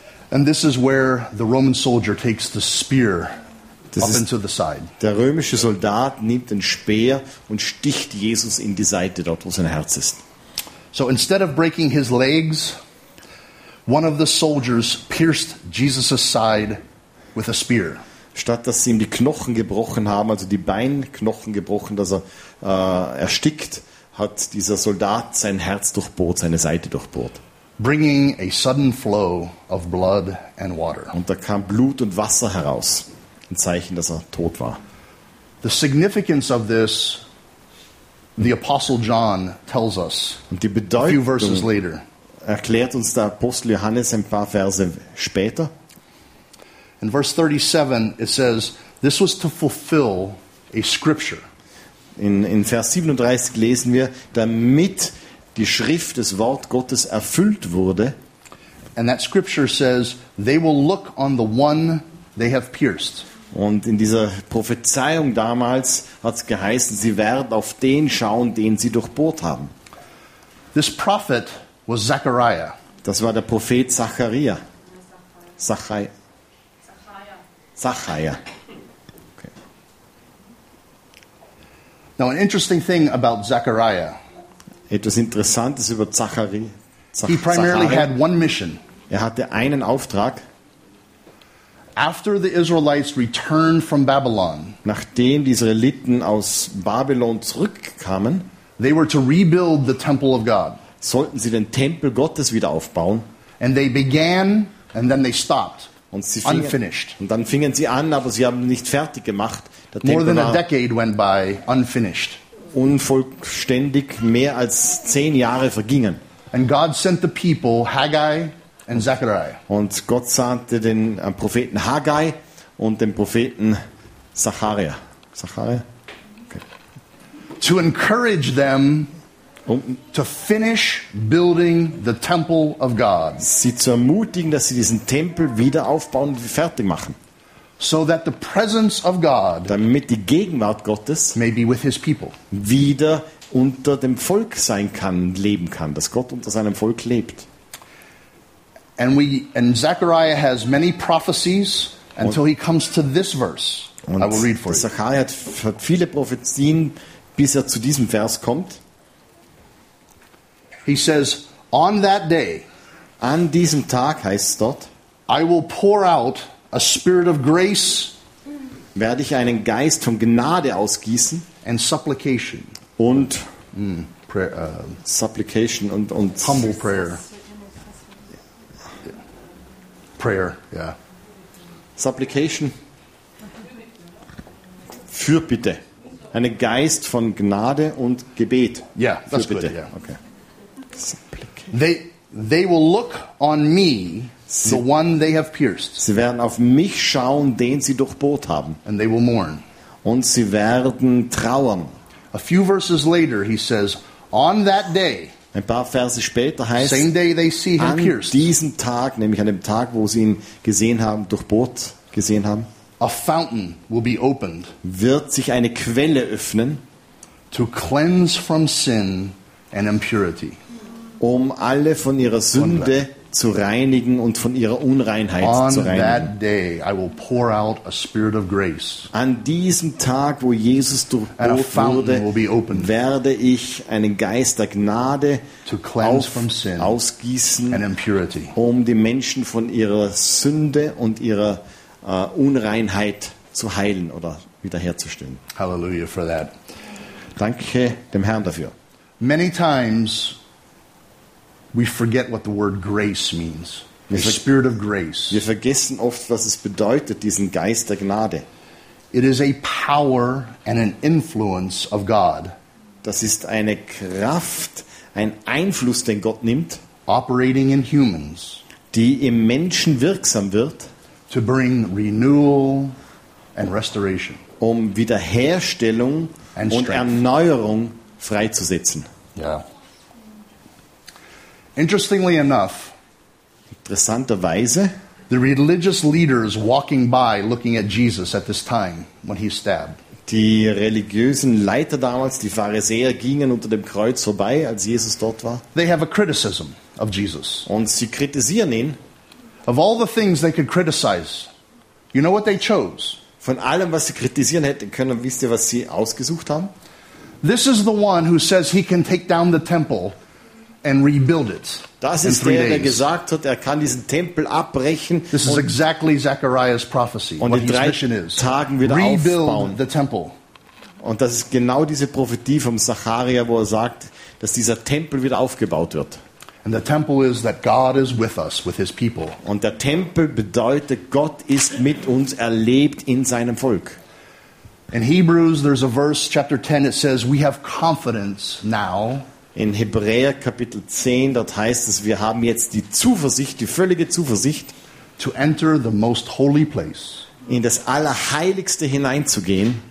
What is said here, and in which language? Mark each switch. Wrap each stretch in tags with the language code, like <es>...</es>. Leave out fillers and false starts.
<en>And this is where the Roman soldier takes the spear up into the side.</en> <de>Der römische Soldat nimmt den Speer und sticht Jesus in die Seite, dort wo sein Herz ist.</de> <en>So instead of breaking his legs, one of the soldiers pierced Jesus' side with a spear.</en> <de>Statt dass sie ihm die Knochen gebrochen haben, also die Beinknochen gebrochen, dass er erstickt, hat dieser Soldat sein Herz durchbohrt, seine Seite durchbohrt.</de> <en>Bringing a sudden flow of blood and water.</en> <de>Und da kam Blut und Wasser heraus, ein Zeichen, dass er tot war.</de> <en>The significance of this, the Apostle John tells us.</en> <de>Und die Bedeutung,</de> <en>a few verses later,</en> <de>erklärt uns der Apostel Johannes ein paar Verse später.</de> <en>In verse 37 it says, this was to fulfill a scripture.</en> <de>In Vers 37 lesen wir, damit die Schrift, das Wort Gottes, erfüllt wurde.</de> <en>And that scripture says, they will look on the one they have pierced.</en> <de>Und in dieser Prophezeiung damals hat es geheißen, sie werden auf den schauen, den sie durchbohrt haben.</de> <en>This prophet was Zechariah.</en> <de>Das war der Prophet Zachariah. Zachariah.</de> <en>Now, an interesting thing about Zechariah.</en> <de>Etwas Interessantes über Zachariah.</de> <en>He primarily had one mission.</en> <de>Er hatte einen Auftrag.</de> <en>After the Israelites returned from Babylon,</en> <de>nachdem die Israeliten aus Babylon zurückkamen,</de> <en>they were to rebuild the temple of God.</en> <de>Sollten sie den Tempel Gottes wieder aufbauen.</de> <en>And they began, and then they stopped.</en> <de>Und sie fingen,</de> <en>unfinished.</en> <de>Und dann fingen sie an, aber sie haben nicht fertig gemacht.</de> <en>More than a decade went by unfinished.</en> <de>Unvollständig, mehr als 10 Jahre vergingen.</de> <en>And God sent the people Haggai and Zechariah.</en> <de>Und Gott sandte den Propheten Haggai und den Propheten Zachariah.</de> <en>Okay. To encourage them to finish building the temple of God.</en> <de>Sie zu ermutigen, dass sie diesen Tempel wieder aufbauen und fertig machen.</de> <en>So that the presence of God,</en> <de>damit die Gegenwart Gottes,</de> <en>may be with his people,</en> <de>wieder unter dem Volk sein kann, leben kann, dass Gott unter seinem Volk lebt.</de> <en>And Zechariah has many prophecies until he comes to this verse.</en> <de>Und</de> <en>I will read for you.</en> <de>Zechariah hat viele Prophezeien, bis er zu diesem Vers kommt.</de> <en>He says, "On that day,</en> <de>an diesem Tag heißt dort,</de> <en>I will pour out." A spirit of grace,</en> <de>werde ich einen Geist von Gnade ausgießen,</de> <en>and supplication,</en> <de>und</de> <en>prayer, supplication</en> <de>und</de> <en>humble prayer, prayer, yeah,</en> <de>supplication, Fürbitte, einen Geist von Gnade und Gebet,</de> <en>yeah, that's good, yeah, okay. They will look on me. The one they have pierced.</en> <de>Sie werden auf mich schauen, den sie durchbohrt haben.</de> <en>And they will mourn.</en> <de>Und sie werden trauern.</de> <en>A few verses later, he says, on that day.</en> <de>Ein paar Verse später heißt.</de> <en>Same day they see him pierced.</en> <de>An diesem Tag, nämlich an dem Tag, wo sie ihn gesehen haben, durchbohrt gesehen haben.</de> <en>A fountain will be opened.</en> <de>Wird sich eine Quelle öffnen.</de> <en>To cleanse from sin and impurity.</en> <de>Um alle von ihrer Sünde zu reinigen und von ihrer Unreinheit zu reinigen.</de> <en>On that day I will pour out a spirit of grace.</en> <de>An diesem Tag, wo Jesus durchbohrt wurde, werde ich einen Geist der Gnade ausgießen, um die Menschen von ihrer Sünde und ihrer Unreinheit zu heilen oder wiederherzustellen.</de> <en>Halleluja for that.</en> <de>Danke dem Herrn dafür.</de> <en>Many times we forget what the word grace means. The spirit of grace.</en> <de>Wir vergessen oft, was es bedeutet, diesen Geist der Gnade.</de> <en>It is a power and an influence of God.</en> <de>Das ist eine Kraft, ein Einfluss, den Gott nimmt,</de> <en>operating in humans,</en> <de>die im Menschen wirksam wird,</de> <en>to bring renewal and restoration,</en> <de>um Wiederherstellung</de> <en>and</en> <de>und Erneuerung freizusetzen.</de> <en>Yeah. Interestingly enough,</en> <de>interessanterweise,</de> <en>the religious leaders walking by looking at Jesus at this time when he's stabbed.</en> <de>Die religiösen Leiter damals, die Pharisäer, gingen unter dem Kreuz vorbei, als Jesus dort war.</de> <en>They have a criticism of Jesus.</en> <de>Und sie kritisieren ihn.</de> <en>Of all the things they could criticize, you know what they chose?</en> <de>Von allem, was sie kritisieren hätten können, wisst ihr, was sie ausgesucht haben?</de> <en>This is the one who says he can take down the temple and rebuild it.</en> <de>Das ist der, der gesagt hat, er kann diesen Tempel abbrechen.</de> <en>This is exactly Zechariah's prophecy.</en> <de>Und in drei Tagen wieder aufbauen.</de> <en>The temple.</en> <de>Und das ist genau diese Prophetie vom Zechariah, wo er sagt, dass dieser Tempel wieder aufgebaut wird.</de> <en>And the temple is that God is with us, with his people.</en> <de>Und der Tempel bedeutet, Gott ist mit uns, er lebt in seinem Volk.</de> <en>In Hebrews there's a verse, chapter 10, it says we have confidence now.</en> <de>In Hebräer Kapitel 10, dort heißt es, wir haben jetzt die Zuversicht, die völlige Zuversicht,</de> <en>to enter the most holy place.</en> <de>In das Allerheiligste hineinzugehen.</de>